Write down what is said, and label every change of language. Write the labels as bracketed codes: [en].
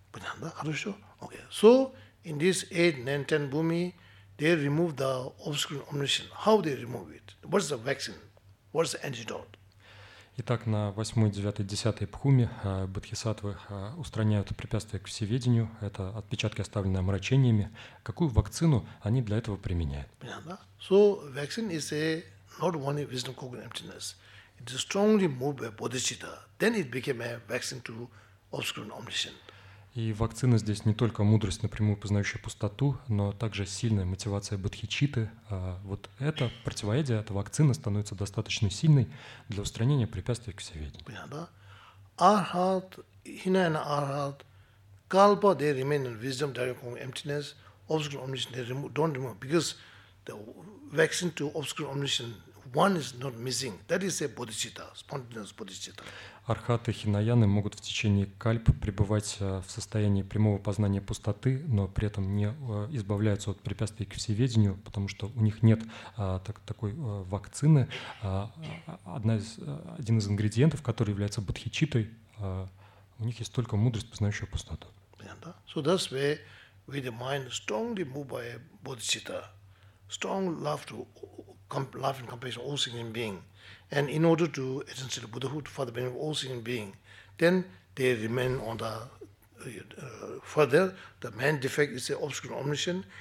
[ru] Понятно? Хорошо. [en] Okay. So in this 8, 9, 10 bhumi, they remove the obscuring omniscient. How they remove it? What's the vaccine? What's the antidote? [ru] Итак, на 8, 9, 10 пхуме бодхисаттвы устраняют препятствия к всеведению, это отпечатки, оставленные омрачениями. Какую вакцину они для этого применяют? Понятно? [en] So, vaccine is a not only wisdom cognitive emptiness. It is strongly moved by bodhicitta. Then it became a vaccine to obscuring omniscient. [ru] И вакцина здесь не только мудрость, напрямую познающая пустоту, но также сильная мотивация бодхичитты. Вот это противоядие, эта вакцина становится достаточно сильной для устранения препятствий к всеведению. Понятно? Архат, хинаяна архат, калпа, [en] they remain in wisdom, directly emptiness, obscure omniscient, they don't remove, because the vaccine to obscure omniscient, one is not missing. That is a bodhicitta, spontaneous bodhicitta. [ru] Архаты и хинаяны могут в течение кальп пребывать в состоянии прямого познания пустоты, но при этом не избавляются от препятствий к всеведению, потому что у них нет такой вакцины. Один из ингредиентов, который является бодхичиттой, у них есть только мудрость, познающая пустоту. Понятно? [en] So that's where with the mind strongly moved by bodhicitta, strong love to love and compassion all sentient being. And in order to attain the Buddhahood for the benefit of all sentient beings, then they remain on the further the main defect is the obscure omniscient.